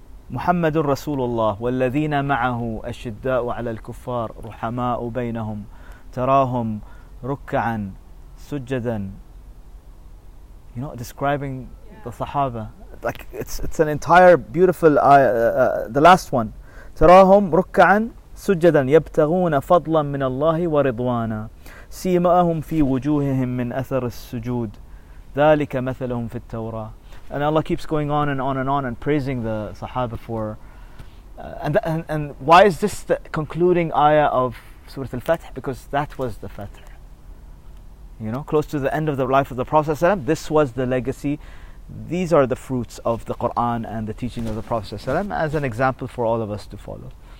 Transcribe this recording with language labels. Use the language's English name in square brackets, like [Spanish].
[Arabic] Muhammadur Rasulullah, والذين معه أشداء على الكفار رحماء بينهم تراهم ركعا سجدا. [English] You know, describing the Sahaba, like it's an entire beautiful the last one. [Arabic] تراهم ركعا سجدا يبتغون فضلا من الله ورضوانا سيماهم في وجوههم من أثر السجود ذلك مثلهم في التوراة. [English] And Allah keeps going on and on and on and praising the Sahaba for... And why is this the concluding ayah of Surah Al-Fath? Because that was the Fath. You know, close to the end of the life of the Prophet ﷺ, this was the legacy. These are the fruits of the Qur'an and the teaching of the Prophet ﷺ as an example for all of us to follow.